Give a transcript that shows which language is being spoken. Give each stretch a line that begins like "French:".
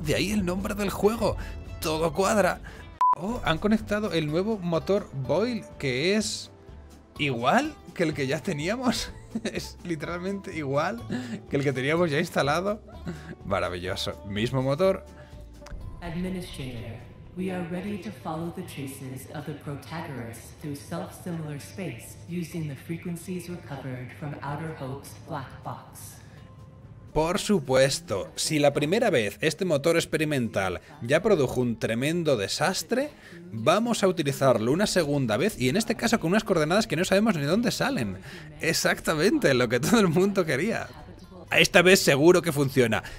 Spanish: De ahí el nombre del juego. ¡Todo cuadra! ¡Oh! Han conectado el nuevo motor Boyle, que es igual que el que ya teníamos. Es literalmente igual que el que teníamos ya instalado. Maravilloso. Mismo motor.
English: Administrator, we are ready to follow the traces of the Protagoras through self-similar space using the frequencies recovered from Outer Hope's black box.
Spanish: Por supuesto, si la primera vez este motor experimental ya produjo un tremendo desastre, vamos a utilizarlo una segunda vez y en este caso con unas coordenadas que no sabemos ni dónde salen. Exactamente lo que todo el mundo quería. Esta vez seguro que funciona.